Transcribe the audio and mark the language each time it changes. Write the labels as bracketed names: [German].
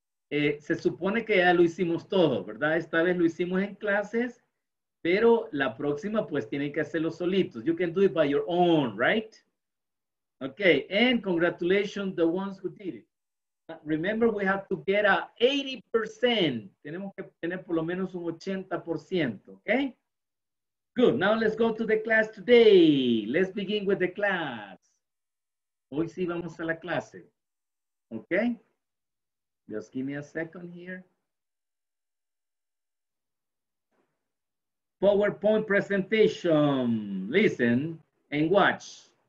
[Spanish] Se supone que ya lo hicimos todo, ¿verdad? Esta vez lo hicimos en clases, pero la próxima, pues, tienen que hacerlo solitos. [English] You can do it by your own, right? Okay, and congratulations the ones who did it. Remember, we have to get a 80%. [Spanish] Tenemos que tener por lo menos un 80%, okay? [English] Good, now let's go to the class today. Let's begin with the class. [Spanish] Hoy sí vamos a la clase, [English] okay? Just give me a second here. PowerPoint presentation. Listen and watch.